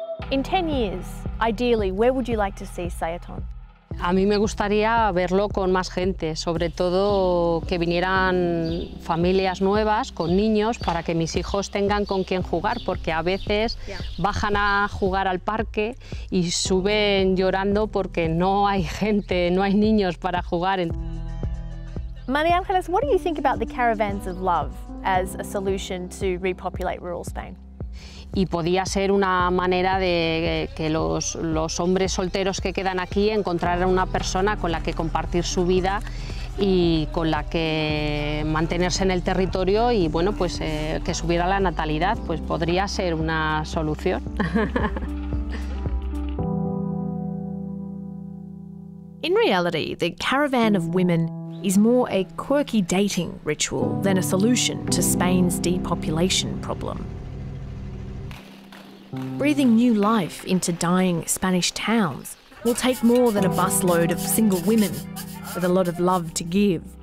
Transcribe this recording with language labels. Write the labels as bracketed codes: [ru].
[en] In 10 years, ideally, where would you like to see Sayaton? [es] A mí me gustaría verlo con más gente, sobre todo que vinieran familias nuevas con niños para que mis hijos tengan con quien jugar, porque a veces bajan a jugar al parque y suben llorando porque no hay gente, no hay niños para jugar. [en] María Ángeles, what do you think about the caravans of love as a solution to repopulate rural Spain? [es] Y podía ser una manera de que los hombres solteros que quedan aquí encontraran una persona con la que compartir su vida y con la que mantenerse en el territorio y bueno, pues que subiera la natalidad, pues podría ser una solución. [en] In reality, the caravan of women is more a quirky dating ritual than a solution to Spain's depopulation problem. Breathing new life into dying Spanish towns will take more than a busload of single women with a lot of love to give.